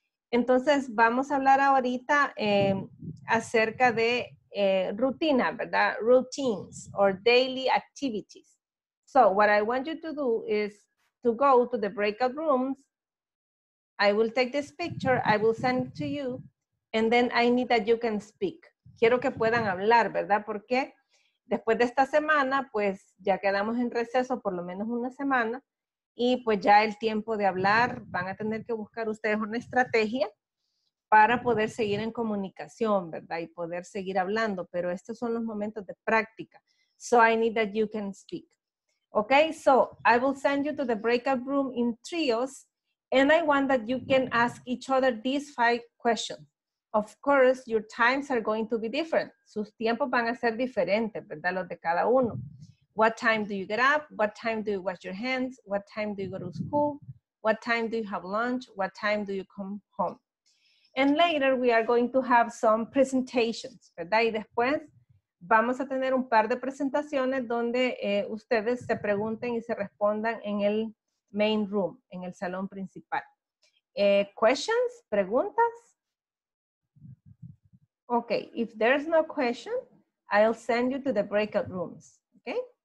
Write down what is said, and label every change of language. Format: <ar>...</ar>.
<es>Entonces, vamos a hablar ahorita acerca de rutina, ¿verdad?</es> <en>Routines or daily activities. So, what I want you to do is to go to the breakout rooms. I will take this picture, I will send it to you, and then I need that you can speak.</en> <es>Quiero que puedan hablar, ¿verdad? Porque después de esta semana, pues, ya quedamos en receso por lo menos una semana. Y pues ya el tiempo de hablar, van a tener que buscar ustedes una estrategia para poder seguir en comunicación, ¿verdad? Y poder seguir hablando, pero estos son los momentos de práctica.</es> <en>So I need that you can speak. Okay, so I will send you to the breakout room in trios, and I want that you can ask each other these 5 questions. Of course, your times are going to be different.</en> <es>Sus tiempos van a ser diferentes, ¿verdad? Los de cada uno.</es> <en>What time do you get up? What time do you wash your hands? What time do you go to school? What time do you have lunch? What time do you come home? And later we are going to have some presentations, ¿verdad?</en> <es>Y después vamos a tener un par de presentaciones donde ustedes se pregunten y se respondan en el main room, en el salón principal.</es> <en>Questions? Preguntas? Okay, if there's no question, I'll send you to the breakout rooms, okay?</en>